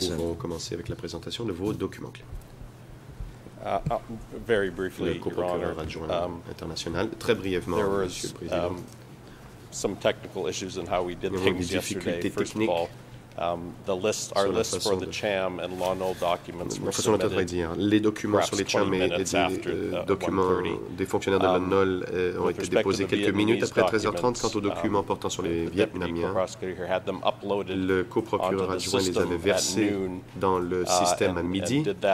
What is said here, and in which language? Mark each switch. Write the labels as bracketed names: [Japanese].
[French] Sinon, nous pouvons commencer avec la présentation de vos documents. [English] Very briefly, [French] le coprocureur adjoint international, très brièvement, Monsieur le Président. [English] Some technical issues in how we did things yesterday. First of all, the lists, our lists for the CHAM and LONO documents were submitted [French] les documents sur les CHAM et les documents des fonctionnaires de LONOL ont été déposés quelques minutes après 13h30 quant aux documents portant sur les Vietnamiens. Le coprocureur adjoint les avait versés dans le système à midi.